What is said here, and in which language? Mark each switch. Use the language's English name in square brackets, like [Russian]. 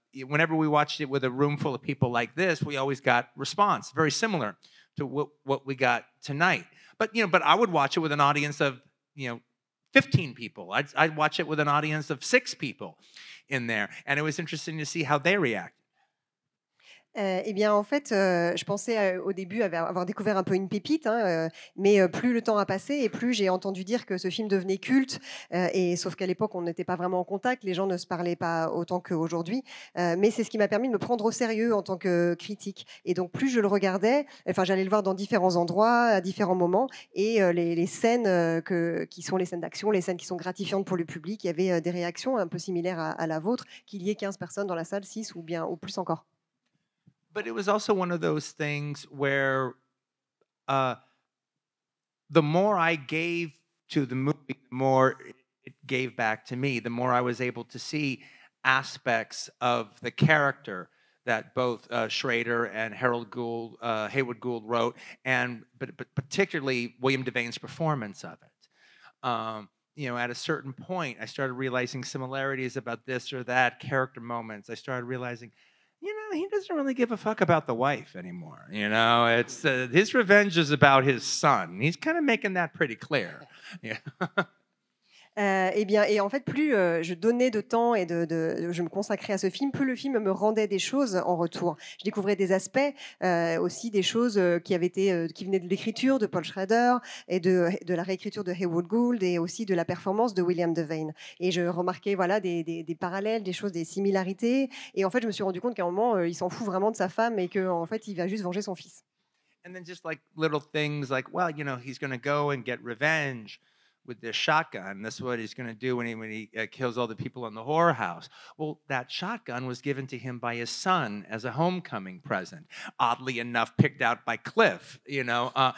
[English] Whenever we watched it with a room full of people like this, we always got response, very similar to what we got tonight. But I would watch it with an audience of, 15 people. I'd watch it with an audience of 6 people in there. And it was interesting to see how they react. [French] Eh bien, en fait, je pensais au début avoir découvert un peu une pépite, hein, mais plus le temps a passé et plus j'ai entendu dire que ce film devenait culte. Et sauf qu'à l'époque, on n'était pas vraiment en contact, les gens ne se parlaient pas autant qu'aujourd'hui. Mais c'est ce qui m'a permis de me prendre au sérieux en tant que critique. Et donc, plus je le regardais, enfin, j'allais le voir dans différents endroits, à différents moments, et les scènes qui sont les scènes d'action, les scènes qui sont gratifiantes pour le public, il y avait des réactions un peu similaires à la vôtre, qu'il y ait 15 personnes dans la salle, 6 ou bien ou plus encore. [English] But it was also one of those things where the more I gave to the movie, the more it gave back to me, the more I was able to see aspects of the character that both Schrader and Haywood Gould wrote, and but particularly William Devane's performance of it. You know, at a certain point, I started realizing similarities about this or that character moments. I started realizing, you know, he doesn't really give a fuck about the wife anymore. You know, it's his revenge is about his son. He's kind of making that pretty clear. [French] Et en fait, plus je donnais de temps et je me consacrais à ce film, plus le film me rendait des choses en retour. Je découvrais des aspects, aussi des choses qui venaient de l'écriture de Paul Schrader et de la réécriture de Haywood Gould et aussi de la performance de William Devane. Et je remarquais voilà, des parallèles, des choses, des similarités. Et en fait, je me suis rendu compte qu'à un moment, il s'en fout vraiment de sa femme et qu'en fait, il va juste venger son fils. [English] And then just like little things like, well, you know, he's going to go and get revenge with this shotgun. That's what he's going to do when he kills all the people in the whorehouse. Well, that shotgun was given to him by his son as a homecoming present, oddly enough picked out by Cliff, you know.